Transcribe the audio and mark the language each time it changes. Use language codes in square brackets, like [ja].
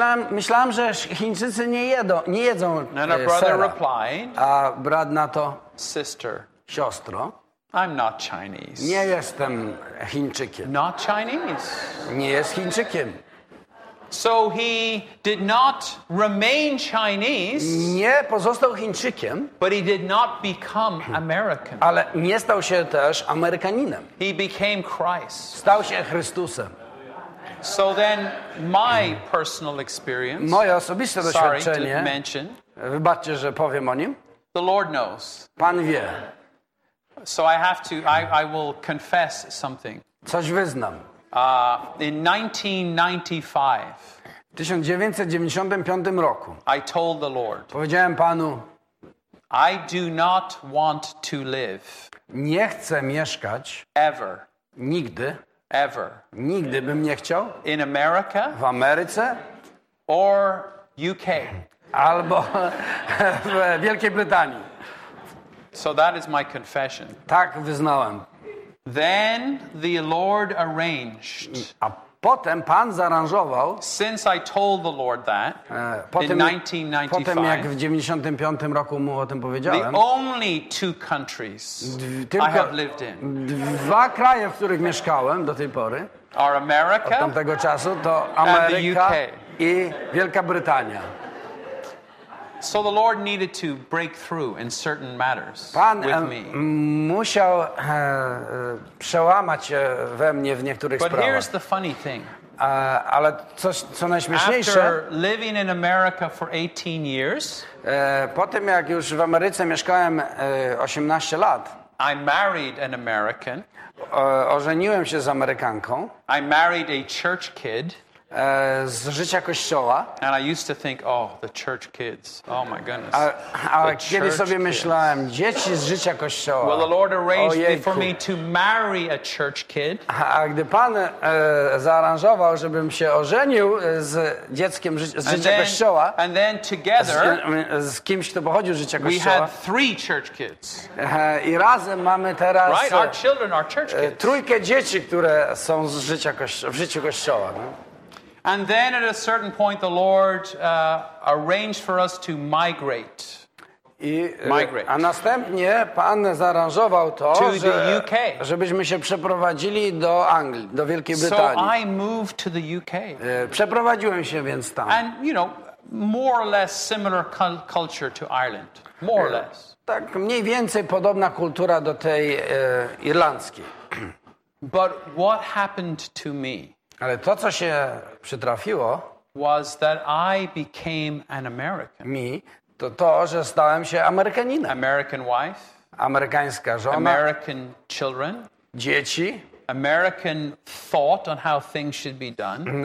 [pl] Myślałem, że Chińczycy nie jedzą sera. [en] And a brother replied. [pl] A brat na to. [en] Sister. [pl] Siostro. [en] I'm not Chinese. [pl] Nie jestem Chińczykiem. [en] Not Chinese. [pl] Nie jest Chińczykiem. [en] So he did not remain Chinese. [pl] Nie pozostał Chińczykiem. [en] But he did not become American. [pl] Ale nie stał się też Amerykaninem. [en] He became Christ. [pl] Stał się Chrystusem. [en] So then my personal experience. [pl] Moje osobiste doświadczenie. [en] Sorry to mention. [pl] Wybaczcie, że powiem o nim. [en] The Lord knows. [pl] Pan wie. [en] So I have to. I will confess something. [pl] Coś wyznam. [en] In 1995 [pl] roku, [en] I told the Lord, [pl] powiedziałem Panu, [en] I do not want to live. [pl] Nie chcę mieszkać [en] ever. [pl] Nigdy. [en] Ever. [pl] Nigdy bym nie chciał. [en] In America. [pl] W Ameryce. [en] Or UK. [pl] Albo w Wielkiej Brytanii. [en] So that is my confession. [pl] Tak wyznałem. [en] Then the Lord arranged. [pl] A potem Pan zaranżował. [en] Since I told the Lord that [pl] potem, [en] in 1995. [pl] Potem jak w 95 roku mu o tym powiedziałem. [en] The only two countries I have lived in. [pl] Dwa kraje, w których mieszkałem do tej pory. [en] Are America, [pl] od tamtego czasu to Ameryka i Wielka Brytania. [en] So the Lord needed to break through in certain matters [pl] Pan [en] with me. [pl] Musiał przełamać we mnie w niektórych [en] But [pl] sprawach. [en] But here's the funny thing. [pl] Ale coś, co najśmieszniejsze. [en] After living in America for 18 years. [pl] Po tym jak już w Ameryce mieszkałem 18 lat. [en] I married an American. [pl] Ożeniłem się z Amerykanką. [en] I married a church kid. [pl] Z życia kościoła. [en] And I used to think, oh, the church kids. Oh my goodness. [pl] Myślałem, dzieci z życia kościoła. [en] Well, the Lord arranged for me to marry a church kid. [pl] A gdy Pan zaaranżował, żebym się ożenił z dzieckiem z życia kościoła. [en] And then together. [pl] Z kimś, kto pochodził z życia kościoła. [en] We had three church kids. [pl] I razem mamy teraz. [en] Right, our children are church kids. [pl] Trójkę dzieci, które są z życia w życiu kościoła. [en] And then at a certain point the Lord arranged for us to migrate. [pl] A następnie Pan zaaranżował to, [en] to the UK. [pl] Żebyśmy się przeprowadzili do Anglii, do Wielkiej Brytanii. [en] So I moved to the UK. [pl] Przeprowadziłem się więc tam. [en] And you know, more or less similar culture to Ireland. More or less. [pl] Tak mniej więcej podobna kultura do tej irlandzkiej. [en] But what happened to me? [pl] Ale to, co się przytrafiło, [en] was that I became an American. [pl] Mi, to to, że stałem się Amerykaninem. [en] American wife. [pl] Amerykańska żona. [en] American children. [pl] Dzieci. [en] American thought on how things should be done.